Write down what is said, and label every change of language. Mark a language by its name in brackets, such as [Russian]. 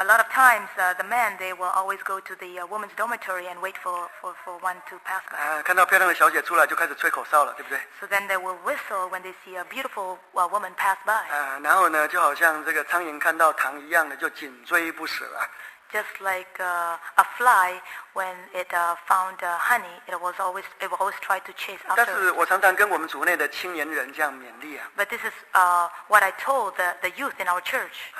[English] a lot of times, the men they will always go to the woman's dormitory and wait for one to pass by. [Chinese] 看到漂亮的小姐出来，就开始吹口哨了，对不对？ [English] So then they will whistle when they see a beautiful woman pass by. [Chinese] 然后呢，就好像这个苍蝇看到糖一样的，就紧追不舍啊。 [English] Just like a fly, when it found honey, it will always try to chase after. [Chinese] 但是我常常跟我们组内的青年人这样勉励啊。 [English] But this is what I told the youth in our church.